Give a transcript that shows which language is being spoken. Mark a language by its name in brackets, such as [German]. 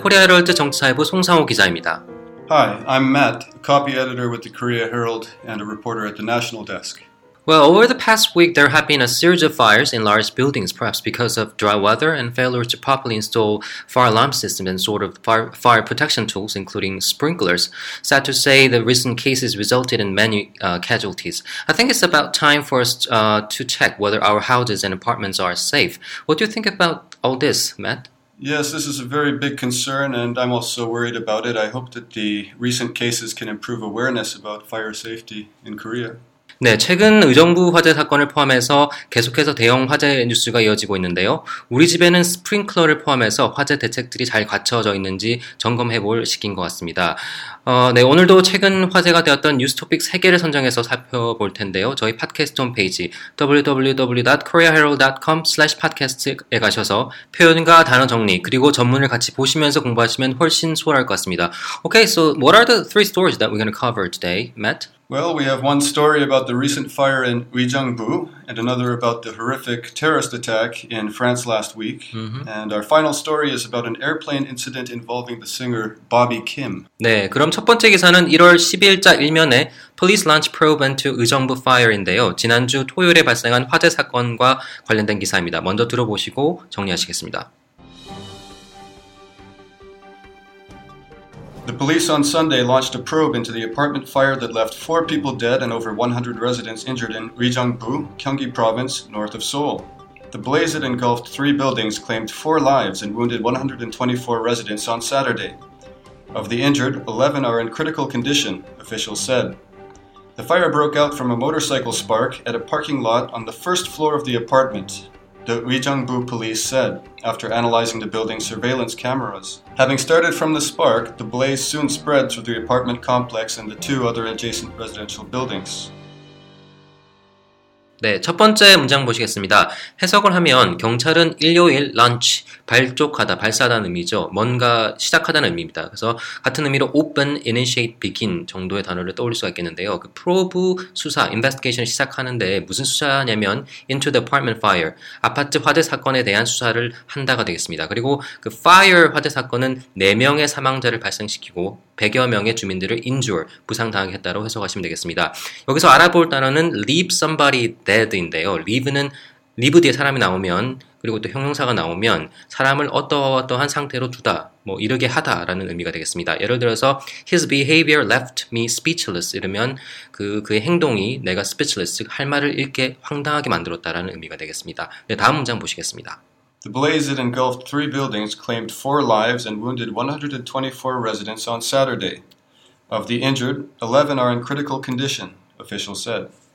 [Korean] 코리아 헤럴드 정치사회부 송상호 기자입니다. [English] Hi, I'm Matt, a copy editor with the Korea Herald and a reporter at the National Desk. Well, over the past week, there have been a series of fires in large buildings, perhaps because of dry weather and failure to properly install fire alarm systems and sort of fire protection tools, including sprinklers. Sad to say, the recent cases resulted in many casualties. I think it's about time for us to check whether our houses and apartments are safe. What do you think about all this, Matt? Yes, this is a very big concern, and I'm also worried about it. I hope that the recent cases can improve awareness about fire safety in Korea. [Korean] 네, 최근 의정부 화재 사건을 포함해서 계속해서 대형 화재 뉴스가 이어지고 있는데요. 우리 집에는 스프링클러를 포함해서 화재 대책들이 잘 갖춰져 있는지 점검해 볼 시기인 것 같습니다. 네, 오늘도 최근 화제가 되었던 뉴스 토픽 3개를 선정해서 살펴볼 텐데요. 저희 팟캐스트 홈페이지 www.koreaherald.com/podcast에 가셔서 표현과 단어 정리 그리고 전문을 같이 보시면서 공부하시면 훨씬 수월할 것 같습니다. [English] Okay, so what are the three stories that we're going to cover today, Matt? Well, we have one story about the recent fire in Uijeongbu, and another about the horrific terrorist attack in France last week. Mm-hmm. And our final story is about an airplane incident involving the singer Bobby Kim. [Korean] 네, 그럼 첫 번째 기사는 1월 12일자 일면에 [English] Police Launch Probe into Uijeongbu Fire [Korean] 인데요. 지난주 토요일에 발생한 화재 사건과 관련된 기사입니다. 먼저 들어보시고 정리하시겠습니다. [English] The police on Sunday launched a probe into the apartment fire that left four people dead and over 100 residents injured in Uijeongbu, Gyeonggi Province, north of Seoul. The blaze that engulfed three buildings claimed four lives and wounded 124 residents on Saturday. Of the injured, 11 are in critical condition, officials said. The fire broke out from a motorcycle spark at a parking lot on the first floor of the apartment. The Uijeongbu police said, after analyzing the building's surveillance cameras. Having started from the spark, the blaze soon spread through the apartment complex and the two other adjacent residential buildings. [Korean] 네, 첫 번째 문장 보시겠습니다. 해석을 하면 경찰은 일요일 런치, 발족하다, 발사하다는 의미죠. 뭔가 시작하다는 의미입니다. 그래서 같은 의미로 open, initiate, begin 정도의 단어를 떠올릴 수가 있겠는데요. 그 probe 수사, investigation을 시작하는데 무슨 수사냐면 [English] into the apartment fire, [Korean] 아파트 화재 사건에 대한 수사를 한다가 되겠습니다. 그리고 그 fire 화재 사건은 4명의 사망자를 발생시키고 100여 명의 주민들을 injure, 부상당하게 했다고 해석하시면 되겠습니다. 여기서 알아볼 단어는 [English] leave somebody dead [Korean] 인데요. leave는 leave 뒤에 사람이 나오면 그리고 또 형용사가 나오면 사람을 어떠어떠한 상태로 두다, 뭐 이르게 하다라는 의미가 되겠습니다. 예를 들어서 [English] his behavior left me speechless [Korean] 이러면 그의 행동이 내가 speechless, 즉 할 말을 잃게 황당하게 만들었다라는 의미가 되겠습니다. 네, 다음 문장 보시겠습니다. [English] The blaze that engulfed three buildings claimed four lives and wounded 124 residents on Saturday. Of the injured, 11 are in critical condition, officials said.